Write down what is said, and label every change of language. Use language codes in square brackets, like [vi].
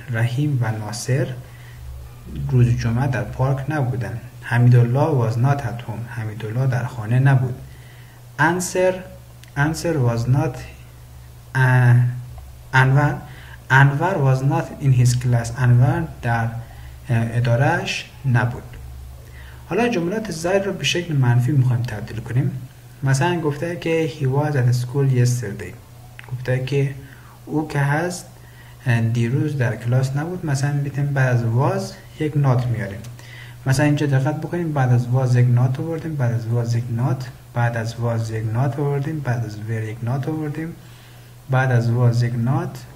[fa] رحیم و ناصر روز جمعه در پارک نبودن. [en] Hamidullah was not at home. [fa] حمیدالله در خانه نبود. [en] Anwar was not Anwar was not in his class. [fa] Anwar در ادارهش نبود. حالا جملات زیر رو به شکل منفی میخوایم تبدیل کنیم. مثلا گفته که [en] He was at school yesterday. [fa] گفته که او که هست دیروز در کلاس نبود. مثلا بیتیم بعد از was یک not میاریم. مثلا اینجا دقت بکنیم، بعد از was یک not آوردیم، بعد از was یک not، بعد از was یک not آوردیم، بعد از were یک not آوردیم، بعد از was یک not،